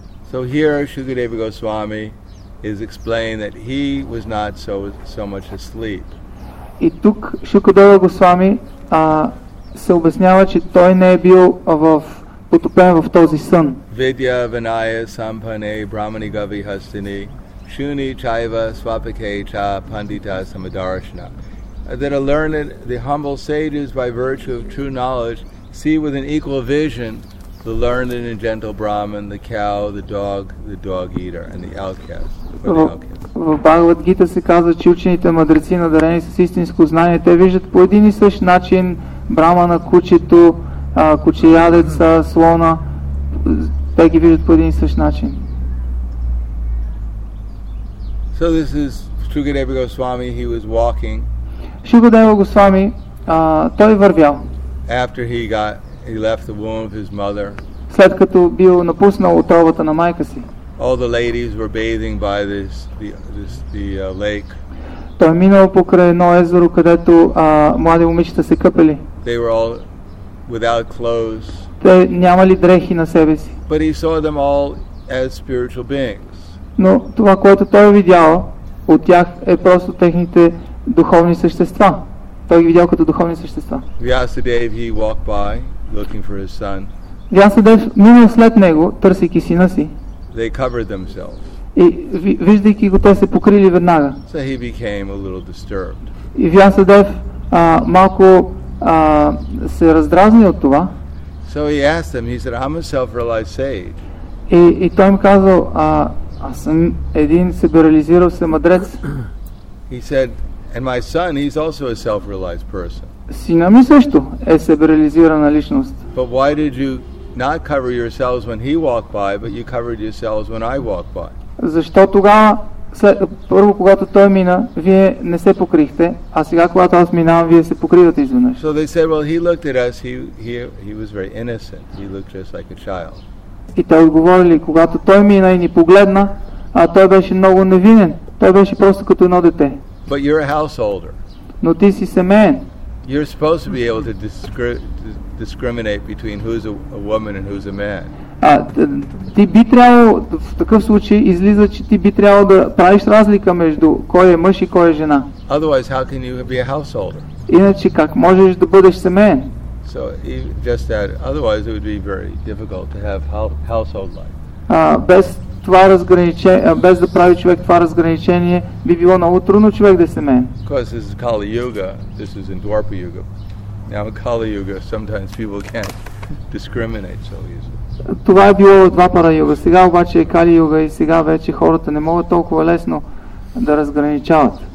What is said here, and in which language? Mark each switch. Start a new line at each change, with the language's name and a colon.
English: So here Shukadeva Goswami is explaining that he was not so much asleep.
Bulgarian: И тук Шукадева Госвами се обяснява, че той не е бил потопен в този сън.
Sanskrit: Vidya Vinaya Sampane Brahmani Gavi Hastini Shuni Chaiva Swapake Cha Pandita Samadarshana.
English: That a learned, the humble sages, by virtue of true knowledge, see with an equal vision the learned and gentle Brahman, the cow, the dog eater, and the outcast.
Bulgarian: В Бхагавад Гита се казва, че учените мъдреци, надарени с истинско знание, те виждат по един и същ начин Брамана, кучето, кучеядеца, слона. Те ги виждат по един и същ начин.
English: So this is Shukadeva Goswami, he was walking.
Bulgarian: Shukadeva Goswami, той вървял.
English: After he left the womb of his mother.
Bulgarian: След като бил напуснал утробата на майка си.
English: All the ladies were bathing by the lake.
Bulgarian: Той минал покрай едно езеро, където млади момичета се къпели.
English: They were all without clothes.
Bulgarian: Те нямали дрехи на себе си.
English: But he saw them all as spiritual beings.
Bulgarian: Но това, което той видял от тях, е просто техните духовни същества. Той ги видял като духовни същества.
English: Vyasadev, he walked by looking for his son.
Bulgarian: Vyasadev минал след него, търсейки сина си.
English: They covered themselves.
Bulgarian: И виждайки го, те се покрили веднага.
English: So he became a little disturbed.
Bulgarian: И Vyasadev малко се раздразни от това.
English: So he asked him, he said, I'm a self-realized sage.
Bulgarian: И той им казал, аз съм един себерализирал се мъдрец.
English: He said, and my son, he's also a self-realized person.
Bulgarian: Сина ми също е себерализирана личност.
English: But why did you not cover yourselves when he walked by, but you covered yourselves when I walked by?
Bulgarian: Защо тогава, първо когато той мина, вие не се покрихте, а сега когато аз минавам, вие се покривате изведнъж.
English: So they said, well, he looked at us, he was very innocent. He looked just like a child.
Bulgarian: И те отговорили, когато той мина и ни погледна, а той беше много невинен. Той беше просто като едно дете.
English: But you're a householder.
Bulgarian: Но ти си семеен.
English: You're supposed to be able to discriminate between who's a woman and who's a man.
Bulgarian: Ти би трябвало, в такъв случай излиза, че ти би трябвало да правиш разлика между кой е мъж и кой е жена.
English: Otherwise, how can you be a householder?
Bulgarian: Иначе как можеш да бъдеш семеен?
English: So just that, otherwise it would be very difficult to have household life.
Bulgarian: Без да прави човек това разграничение, би било много трудно човек да е семеен.
English: Of course, this is Kali Yuga. This is in Dwarpa Yuga. Now in Kali Yuga, sometimes people can't discriminate so easily.
Bulgarian: Това е било Двапара Юга. Сега обаче е Кали Юга и сега вече хората не могат толкова лесно да разграничават.